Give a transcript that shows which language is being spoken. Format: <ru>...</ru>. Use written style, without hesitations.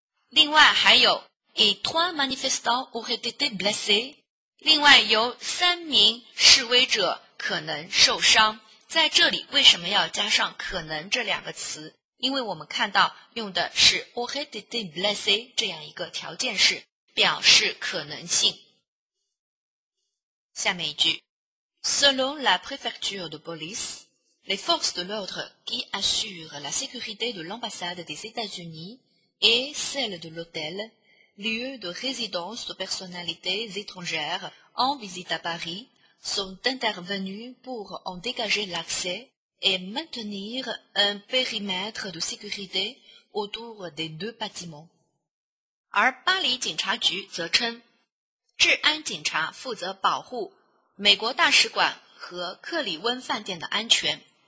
<zh>另外还有,</zh> <fr>et 3 manifestants auraient été blessés,</fr> <zh>另外有3名示威者可能受伤, 在这里为什么要加上可能这两个词? 因为我们看到用的是</zh> <fr>aurait été blessé</fr> <zh>这样一个条件式, 表示可能性. 下面一句,</zh> <fr>Selon la préfecture de police, les forces de l'ordre qui assurent la sécurité de l'ambassade des États-Unis et celle de l'hôtel, lieu de résidence de personnalités étrangères en visite à Paris, sont intervenues pour en dégager l'accès et maintenir un périmètre de sécurité autour des deux bâtiments.</fr> <zh>而巴黎警察局则称, 治安警察负责保护美国大使馆和克里温饭店的安全。</zh>